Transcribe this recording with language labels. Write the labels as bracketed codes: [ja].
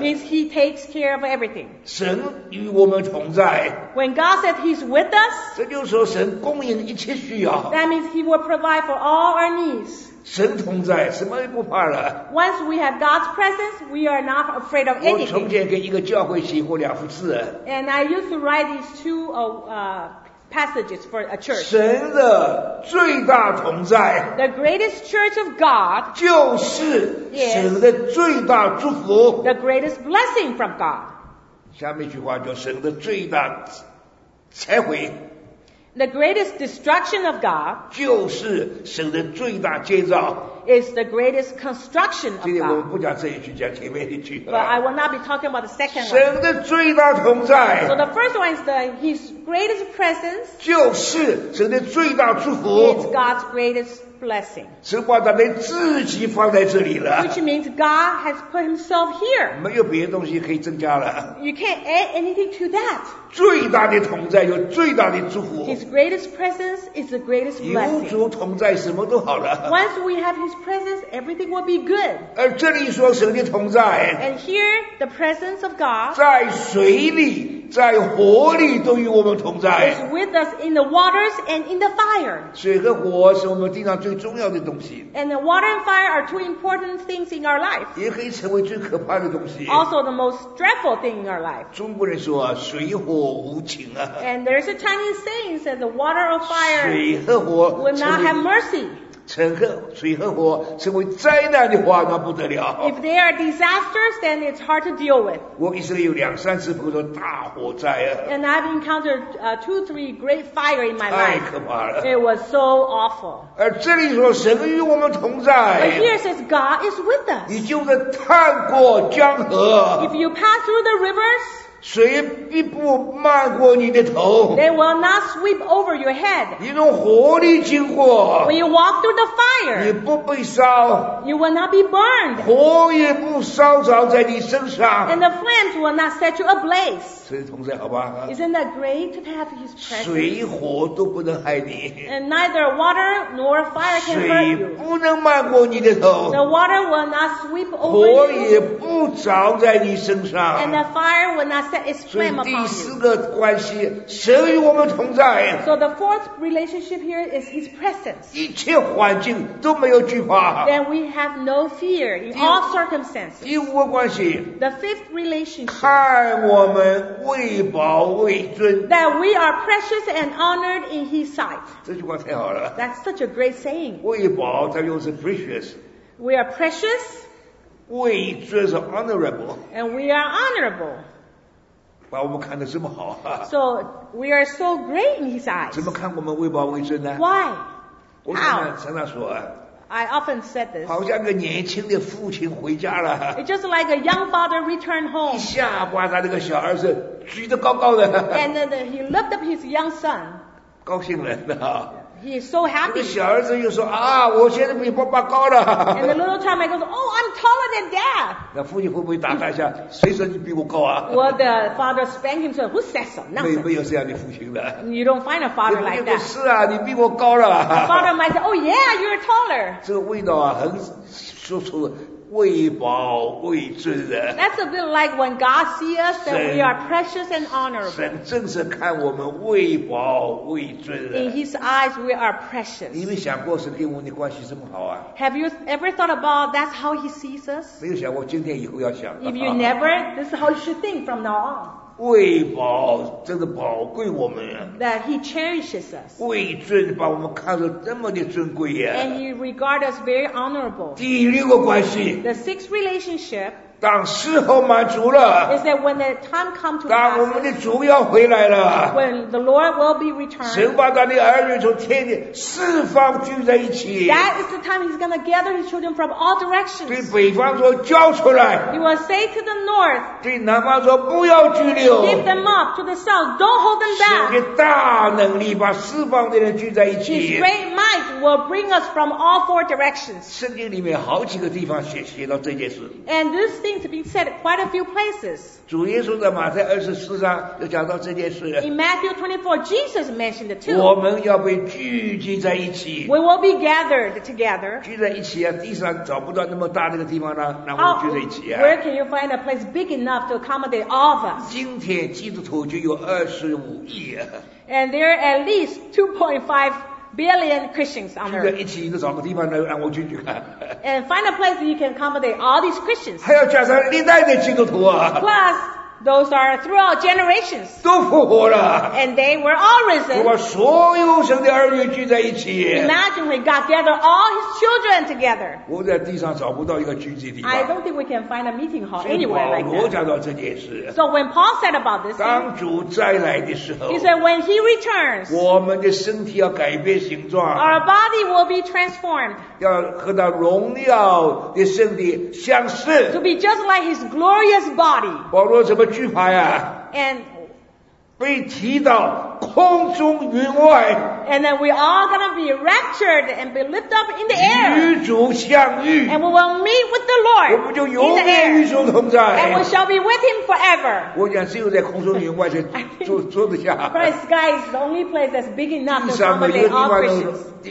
[en] Means He takes care of everything. [zh] 神与我们同在。 [en] When God said He's with us. [zh] 这就是说神供应一切需要。 [en] That means He will provide for all our needs. [zh] 神同在，什么也不怕了。 [en] Once we have God's presence, we are not afraid of anything. [zh] 我从前给一个教会写过两幅字。 [en] And I used to write these two passages for a church. [zh] 神的最大同在。 [en] The greatest church of God. [zh] 就是神的最大祝福。 [en] The greatest blessing from God. [zh] 下面一句话叫神的最大拆毁。 [en] The greatest destruction of God. [zh] 就是神的最大建造。 [en] Is the greatest construction of God. [zh] 今天我们不讲这一句，讲前面一句。 [en] But I will not be talking about the second one. [zh] 神的最大同在。 [en] So the first one is His greatest presence. [zh] 就是神的最大祝福。 [en] It's God's greatest blessing. [zh] 神把他们自己放在这里了。 [en] Which means God has put Himself here. [zh] 没有别的东西可以增加了。 [en] You can't add anything to that. [zh] 最大的同在有最大的祝福。 [en] His greatest presence is the greatest blessing. [zh] 有主同在，什么都好了。 [en] Once we have His presence, everything will be good. [zh] 而这里说神的同在。 [en] And here, the presence of God. [zh] 在水里，在火里都与我们同在。 [en] Is with us in the waters and in the fire. [zh] 水和火是我们地上最重要的东西。 [en] And the water and fire are two important things in our life. [zh] 也可以成为最可怕的东西。 [en] Also the most dreadful thing in our life. [zh] 中国人说啊，水火无情啊。 [en] And there's a Chinese saying that the water or fire [zh] 水和火 [en] will not have mercy. [zh] 水和火成为灾难的话，那不得了。 [en] If they are disasters, then it's hard to deal with. [zh] 我以色列有两三次碰到大火灾啊。 [en] And I've encountered two, three great fire in my life. [zh] 太可怕了。 [en] It was so awful. [zh] 而这里说神与我们同在。 [en] But here it says God is with us. [zh] 你就是趟过江河。 [en] If you pass through the rivers. [zh] 水一步漫过你的头。 [en] They will not sweep over your head. [zh] 你从火里经过。 [en] When you walk through the fire. [zh] 你不被烧。 [en] You will not be burned. [zh] 火也不烧着在你身上。 [en] And the flames will not set you ablaze. [zh] 所以同在好吧。 [en] Isn't that great to have His presence? [zh] 水火都不能害你。 [en] And neither water nor fire can hurt you. [zh] 水不能漫过你的头。 [en] The water will not sweep over you. [zh] 火也不着在你身上。 [en] And the fire will not. [zh] 所以第四个关系，神与我们同在。 [en] So the fourth relationship here is His presence. [zh] 一切环境都没有惧怕。 [en] Then we have no fear in all circumstances. [zh] 第五个关系。 [en] The fifth relationship. [zh] 看我们为宝为尊。 [en] That we are precious and honored in His sight. [zh] 这句话太好了。 [en] That's such a great saying. [zh] 为宝，它又是 precious. [en] We are precious. [zh] 为尊是 honorable. [en] And we are honorable. [zh] 把我们看得这么好、啊、 [en] So we are so great in His eyes. [zh] 怎么看我们为宝为尊呢 [en] Why? [zh] 我常常 常常说 [en] I often said this. [zh] 好像个年轻的父亲回家了 [en] It's just like a young father returned home. [zh] 一下把他那个小儿子举得高高的 [en] And then he lifted up his young son. [zh] 高兴了、啊、 [en] He is so happy. [zh] 那个小儿子又说啊我现在比爸爸高了 [en] And the little child man goes, Oh, I'm taller than dad. [zh] 那父亲会不会打他一下谁说你比我高啊 [en] Well, the father spanked him, said, Who says so? Nonsense. [zh] 没有这样的父亲的 [en] You don't find a father like that. [zh] 是啊你比我高了 [en] The father might say, Oh, yeah, you're taller. [zh] 这个味道啊很说出为宝为尊的 [en] That's a bit like when God sees us that we are precious and honorable. [zh] 神正是看我们为宝为尊的 [en] In His eyes, we are precious. [zh] 你没想过神跟我们的关系这么好啊 [en] Have you ever thought about that's how He sees us? [zh] 没有想过今天以后要想 [en] If you never, this is how you should think from now on. [zh] 为宝这个宝贵我们 [en] that he cherishes us [zh] 为尊把我们看得这么的尊贵呀 [en] and he regards us very honorable [zh] 第六个关系 [en] the sixth relationship [zh] 当时候满足了 [en] is that when the time comes to us [zh] 当我们的主要回来了 [en] when the Lord will be returned [zh] 神把他的儿女从天地四方聚在一起 [en] that is the time he's going to gather his children from all directions [zh] 对北方说交出来 [en] he will say to the north [zh] 对南方说不要拘留 [en] give them up to the south don't hold them back [zh] 神的大能力把四方的人聚在一起 [en] his great might will bring us from all four directions [zh] 圣经里面好几个地方 写到这件事 [en] and this things have been said quite a few places. [zh] 主耶稣在马太二十四章又讲到这件事。 [en] In Matthew 24, Jesus mentioned it too. [zh] 我们要被聚集在一起。 [en] We will be gathered together. [zh] 聚在一起啊，地上找不到那么大那个地方呢，那我们聚在一起啊。 [en] Where can you find a place big enough to accommodate all of us? [zh] 今天基督徒就有二十五亿。 [en] And there are at least 2.5 billion Christians on earth. [zh] 聚在一起，你找个地方来，让我进去看。 [en] And find a place that you can accommodate all these Christians. [zh] 还要加上历代的基督徒啊。 [en] Plus, those are throughout generations. [zh] 都复活了。 [en] And they were all risen. [zh] 我把所有神的儿女聚在一起。 [en] Imagine when God gathered all His children together. [zh] 我在地上找不到一个聚集地方。 [en] I don't think we can find a meeting hall anywhere like that. [zh] 所以保罗讲到这件事。 [en] So when Paul said about this, [zh] 当主再来的时候。 [en] He said when He returns. [zh] 我们的身体要改变形状。 [en] Our body will be transformed. [zh] 要和他荣耀的身体相似。 [en] To be just like His glorious body. [zh] 保罗怎么惧怕呀？ [en] And [zh] 被提到空中云外。 [en] And then we're all going to be raptured and be lifted up in the air. [zh] 与主相遇。 [en] And we will meet with the Lord. [zh] 我们就永远与主同在。 [en] And we shall be with Him forever. [zh] 我想只有在空中云外才坐得下。 [en] Christ, sky is the only place that's big enough to accommodate all Christians.